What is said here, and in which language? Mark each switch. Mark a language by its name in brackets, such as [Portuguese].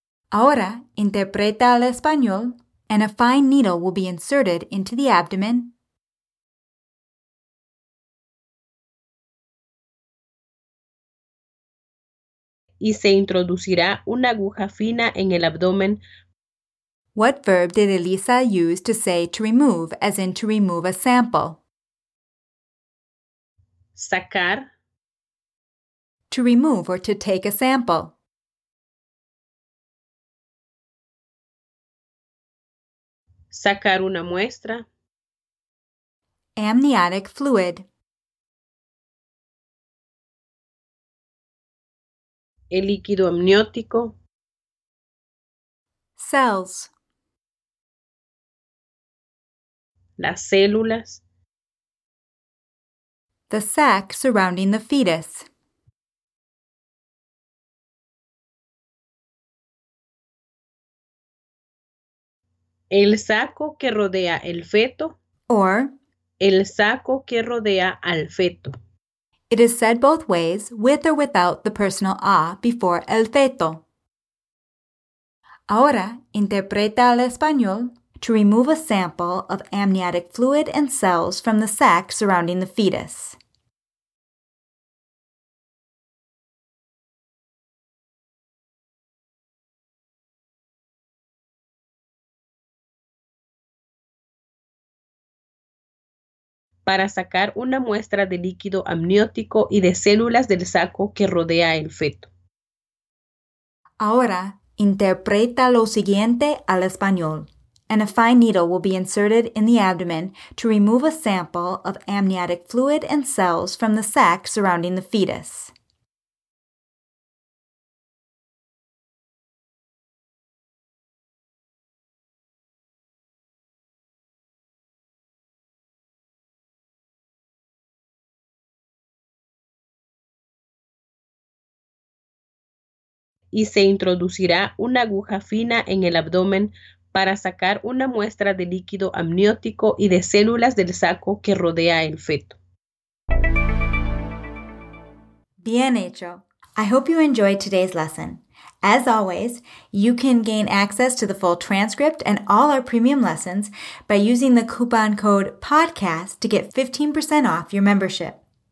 [Spanish] Ahora, interpreta al español. [English] And a fine needle will be inserted into the abdomen. [Spanish] Y se introducirá una aguja fina en el abdomen. [English] What verb did Elisa use to say to remove, as in to remove a sample? [Spanish] Sacar. [English] To remove or to take a sample. [Spanish] Sacar una muestra. [English] Amniotic fluid. [Spanish] El líquido amniótico. [English] Cells. [Spanish] Las células. [English] The sac surrounding the fetus. [Spanish] El saco que rodea el feto. [English] Or, [Spanish] el saco que rodea al feto. [English] It is said both ways, with or without the personal a before el feto. [Spanish] Ahora, interpreta al español, [English] to remove a sample of amniotic fluid and cells from the sac surrounding the fetus. [Spanish] Para sacar una muestra de líquido amniótico y de células del saco que rodea el feto. Ahora, interpreta lo siguiente al español. [English] And a fine needle will be inserted in the abdomen to remove a sample of amniotic fluid and cells from the sac surrounding the fetus. [Spanish] Y se introducirá una aguja fina en el abdomen para sacar una muestra de líquido amniótico y de células del saco que rodea el feto. Bien hecho. [English] I hope you enjoyed today's lesson. As always, you can gain access to the full transcript and all our premium lessons by using the coupon code PODCAST to get 15% off your membership.